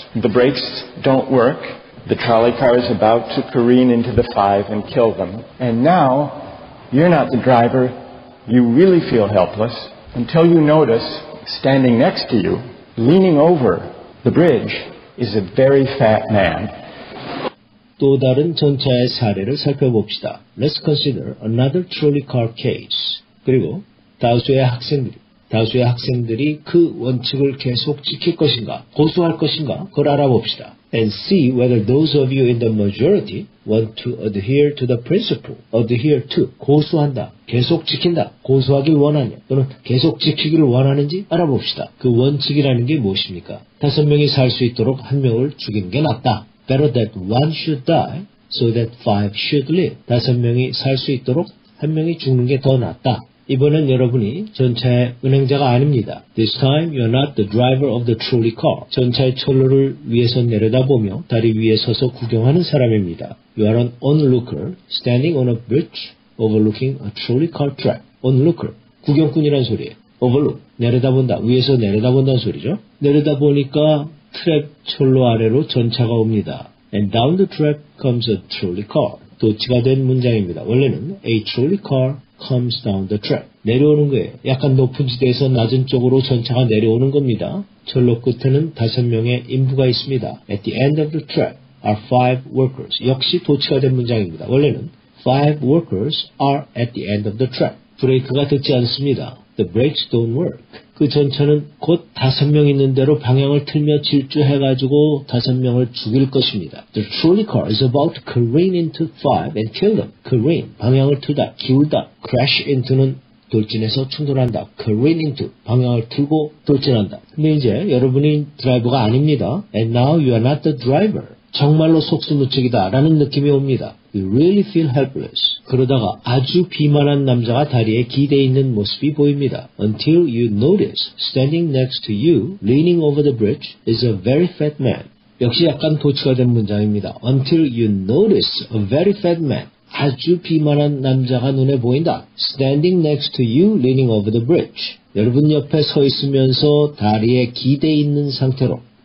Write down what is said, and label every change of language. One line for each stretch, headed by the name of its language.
English: The brakes don't work. The trolley car is about to careen into the five and kill them. And now, you're not the driver. You really feel helpless until you notice, standing next to you, leaning over the bridge, is a very fat man.
Korean: 또 다른 전차의 사례를 살펴봅시다.
English: Let's consider another trolley car case.
Korean: 그리고 다수의 학생들이 그 원칙을 계속 지킬 것인가, 고수할 것인가, 그걸 알아봅시다.
English: And see whether those of you in the majority want to adhere to the principle.
Korean: Adhere to, 고수한다, 계속 지킨다, 고수하길 원하냐, 또는 계속 지키기를 원하는지 알아봅시다. 그 원칙이라는 게 무엇입니까? 다섯 명이 살 수 있도록 한 명을 죽이는 게 낫다.
English: Better that one should die so that five should live.
Korean: 다섯 명이 살 수 있도록 한 명이 죽는 게 더 낫다. 이번엔 여러분이 전차의 운행자가 아닙니다.
English: This time you're not the driver of the trolley car.
Korean: 전차의 철로를 위에서 내려다보며 다리 위에 서서 구경하는 사람입니다.
English: You are an onlooker standing on a bridge overlooking a trolley car track.
Korean: Onlooker, 구경꾼이란 소리예요. Overlook, 내려다본다, 위에서 내려다본다는 소리죠. 내려다보니까 트랙 철로 아래로 전차가 옵니다.
English: And down the track comes a trolley car.
Korean: 도치가 된 문장입니다. 원래는
English: a trolley car comes down the track.
Korean: 내려오는 거예요. 약간 높은 지대에서 낮은 쪽으로 전차가 내려오는 겁니다. 철로 끝에는 다섯 명의 인부가 있습니다.
English: At the end of the track are five workers.
Korean: 역시 도치가 된 문장입니다. 원래는
English: five workers are at the end of the track.
Korean: 브레이크가 듣지 않습니다.
English: The brakes don't work.
Korean: 그 전차는 곧 다섯 명 있는 대로 방향을 틀며 질주해가지고 다섯 명을 죽일 것입니다.
English: The trolley car is about to careen into five and kill them.
Korean: Careen, 방향을 틀다, 기울다. Crash into는 돌진해서 충돌한다. Careen into, 방향을 틀고 돌진한다. 근데 이제 여러분이 드라이버가 아닙니다.
English: And now you are not the driver.
Korean: 정말로 속수무책이다 라는 느낌이 옵니다.
English: You really feel helpless.
Korean: 그러다가 아주 비만한 남자가 다리에 기대 있는 모습이 보입니다.
English: Until you notice standing next to you, leaning over the bridge, is a very fat man.
Korean: 역시 약간 도치가 된 문장입니다.
English: Until you notice a very fat man.
Korean: 아주 비만한 남자가 눈에 보인다.
English: Standing next to you, leaning over the bridge.
Korean: 여러분 옆에 서 있으면서 다리에 기대 있는 상태로.